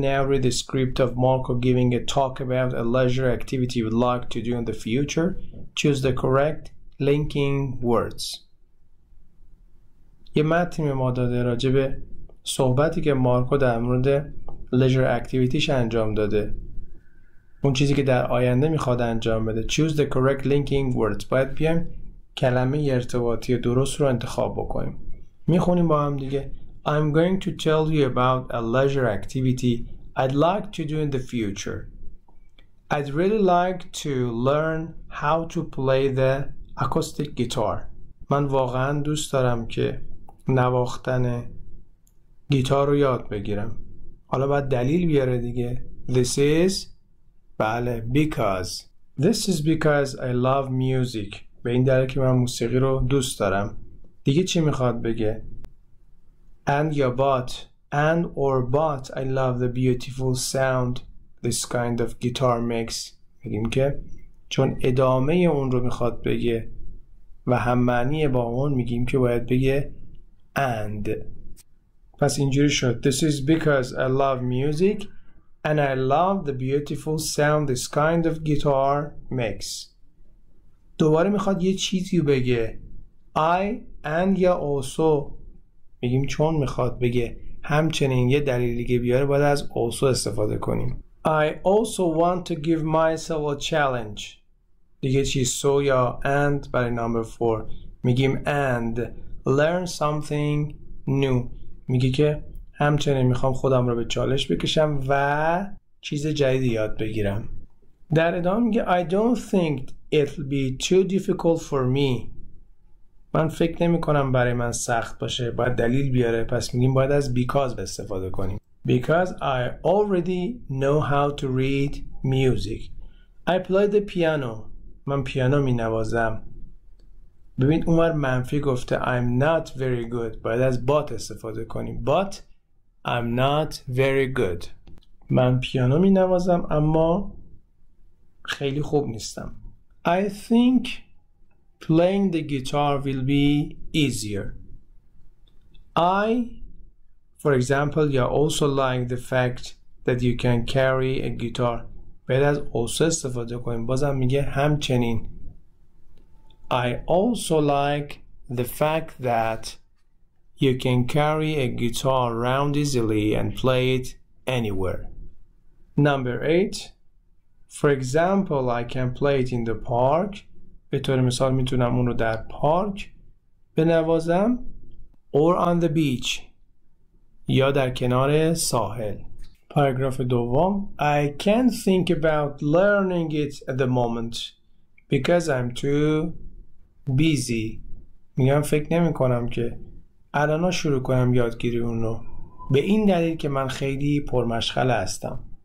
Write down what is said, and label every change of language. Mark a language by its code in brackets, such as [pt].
[en] Now read the script of Marco giving a talk about a leisure activity you'd like to do in the future. Choose the correct linking words. [fa] یه متنی ما داده راجع به صحبتی که مارکو در مورد [en] leisure activity [fa] ش انجام داده. اون چیزی که در آینده میخواد انجام بده. [en] Choose the correct linking words. [fa] باید بیایم کلمه ارتباطی درست رو انتخاب بکنیم. میخونیم با هم دیگه. [en] I'm going to tell you about a leisure activity I'd like to do in the future. I'd really like to learn how to play the acoustic guitar. [fa] من واقعا دوست دارم که نواختن گیتار رو یاد بگیرم. حالا باید دلیل بیاره دیگه. [en] This is [fa] بله [en] because. This is because I love music. [fa] به این دلیل که من موسیقی رو دوست دارم. دیگه چی میخواد بگه؟ [en] And [fa] یا [en] but. And or but I love the beautiful sound this kind of guitar makes. [fa] بگیم که چون ادامه اون رو میخواد بگه و هم معنی با اون میگیم که باید بگه and. پس اینجوری شد. [en] This is because I love music and I love the beautiful sound this kind of guitar makes. [fa] دوباره میخواد یه چیزی بگه. [en] I and [fa] یا also میگیم چون میخواد بگه همچنین یه دلیلی که بیاره باید از also استفاده کنیم. [en] I also want to give myself a challenge. [fa] دیگه چی [en] so [fa] یا [en] and [fa] برای [en] number 4 [fa] میگیم [en] and learn something new. [fa] میگه که همچنین میخوام خودم رو به چالش بکشم و چیز جدیدی یاد بگیرم. در ادامه میگه [en] I don't think it'll be too difficult for me. [fa] من فکر نمی کنم برای من سخت باشه. باید دلیل بیاره. پس میگیم باید از because استفاده کنیم. [en] Because I already know how to read music. I play the piano. [fa] من پیانو می نوازم. ببین اونور منفی گفته [en] I'm not very good. [fa] باید از but استفاده کنیم. [en] But I'm not very good. [fa] من پیانو می نوازم اما خیلی خوب نیستم. [en] I think playing the guitar will be easier. I, for example, you also like the fact that you can carry a guitar. [fa] باید از also استفاده کنیم. بازم میگه همچنین. [en] I also like the fact that you can carry a guitar around easily and play it anywhere. Number 8. For example, I can play it in the park. [fa] به طور مثال میتونم اون رو در پارک بنوازم [en] or on the beach [fa] یا در کنار ساحل. پاراگراف دوم [en] I can't think about learning it at the moment because I'm too busy. [fa] میگم فکر نمی کنم که الان شروع کنم یادگیری اون رو به این دلیل که من خیلی پرمشغل هستم.